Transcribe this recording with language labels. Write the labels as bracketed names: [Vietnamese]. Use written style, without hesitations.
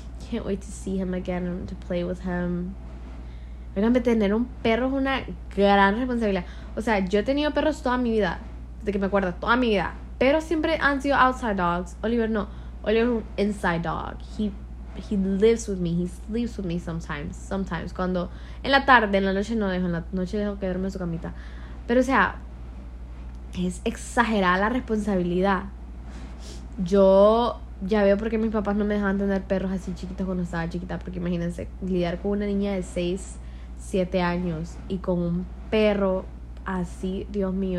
[English] Can't wait to see him again and to play with him. [Spanish] Oigan, tener un perro es una gran responsabilidad. O sea, yo he tenido perros toda mi vida, desde que me acuerdo, toda mi vida. Pero siempre han sido [English] outside dogs. [Spanish] Oliver no. Oliver es un [English] inside dog. He He lives with me. He sleeps with me sometimes. Sometimes. [Spanish] Cuando... En la tarde, en la noche no dejo. En la noche dejo que duerme en su camita. Pero, o sea... Es exagerada la responsabilidad. Yo... Ya veo por qué mis papás no me dejaban tener perros así chiquitos cuando estaba chiquita. Porque imagínense, lidiar con una niña de 6, 7 años y con un perro así, Dios mío.